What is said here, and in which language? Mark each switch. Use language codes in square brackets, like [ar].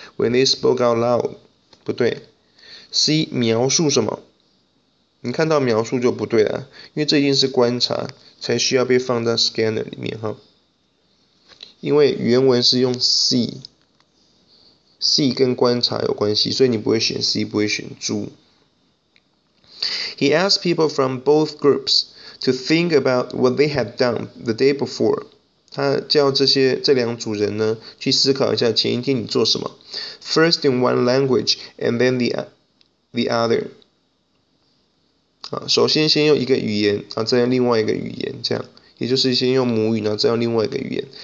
[en] When they spoke out loud, [zh] 不对。C, 描述什么？你看到描述就不对了，因为这一定是观察，才需要被放在 scanner 里面哈。因为原文是用 C 跟观察有关系，所以你不会选 C， 不会选猪。 [en] He asked people from both groups to think about what they had done the day before. [zh] 他叫这两组人呢去思考一下前一天你做什么。 [en] First in one language and then the other. [zh] 首先先用一个语言，再用另外一个语言，这样，也就是先用母语，再用另外一个语言。